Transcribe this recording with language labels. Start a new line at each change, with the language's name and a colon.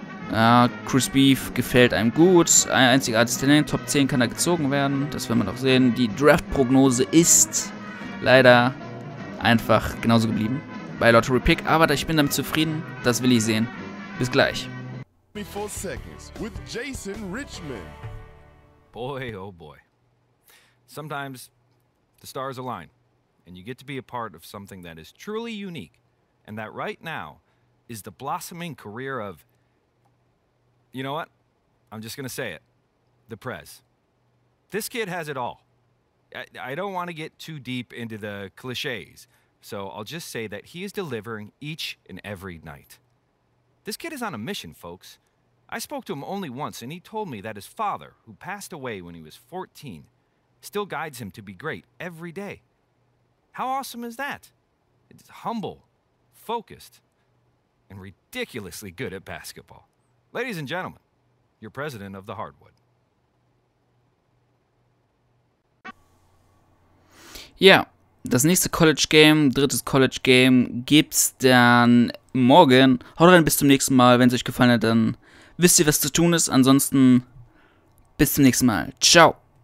German: Ja, Chris Beef gefällt einem gut. Ein einzigartiges Talent. Top 10 kann er gezogen werden. Das werden wir noch sehen. Die Draft-Prognose ist leider einfach genauso geblieben bei Lottery Pick. Aber ich bin damit zufrieden. Das will ich sehen. Bis gleich.
English: 24 seconds with Jason Richmond. Boy, oh boy. Sometimes the stars align and you get to be a part of something that is truly unique and that right now is the blossoming career of. You know what? I'm just going to say it. The Prez. This kid has it all. I don't want to get too deep into the cliches, So I'll just say that he is delivering each and every night. This kid is on a mission, folks. I spoke to him only once, and he told me that his father, who passed away when he was 14, still guides him to be great every day. How awesome is that? It's humble, focused, and ridiculously good at basketball. Ladies and gentlemen, your president of the Hardwood.
German: Ja, das nächste College Game, drittes College Game, gibt's dann morgen. Haut rein, bis zum nächsten Mal. Wenn es euch gefallen hat, dann wisst ihr, was zu tun ist. Ansonsten, bis zum nächsten Mal. Ciao.